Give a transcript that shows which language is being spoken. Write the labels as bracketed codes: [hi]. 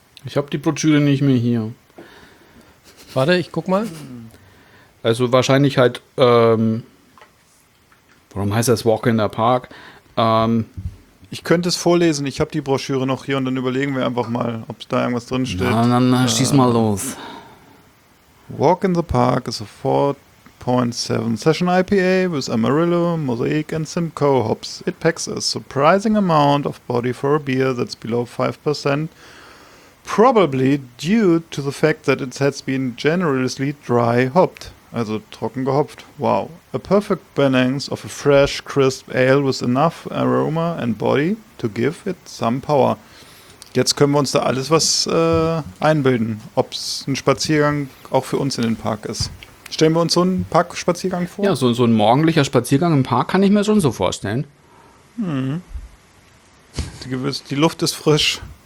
[de] Ich habe die Broschüre nicht mehr hier. Warte, ich guck mal. Also wahrscheinlich halt, warum heißt das Walk in the Park? Ich könnte es vorlesen, ich habe die Broschüre noch hier und dann überlegen wir einfach mal, ob da irgendwas drin steht. Na, schieß mal los. [en] Walk in the Park is a 4.7 Session IPA with Amarillo, Mosaic and Simcoe hops. It packs a surprising amount of body for a beer that's below 5%, probably due to the fact that it has been generously dry hopped. [de] Also trocken gehopft. [en] Wow. A perfect balance of a fresh, crisp ale with enough aroma and body to give it some power. [de] Jetzt können wir uns da alles was einbilden, ob es ein Spaziergang auch für uns in den Park ist. Stellen wir uns so einen Parkspaziergang vor? Ja, so ein morgendlicher Spaziergang im Park kann ich mir schon so vorstellen. Die Luft ist frisch.